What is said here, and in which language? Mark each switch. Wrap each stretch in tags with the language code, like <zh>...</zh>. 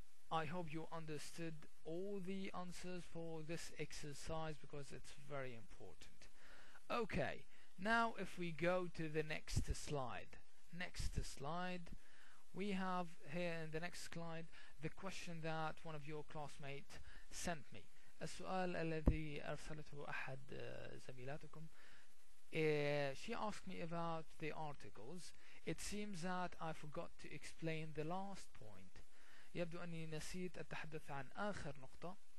<en>I hope you understood all the answers for this exercise because it's very important. Okay, now if we go to the next slide. Next slide. We have here in the next slide the question that one of your classmates sent me.</en> <ar>السؤال الذي أرسلته أحد زميلاتكم.</ar> <en>She asked me about the articles. It seems that I forgot to explain the last point.</en> <ar>يبدو أني نسيت التحدث عن آخر نقطة.</ar>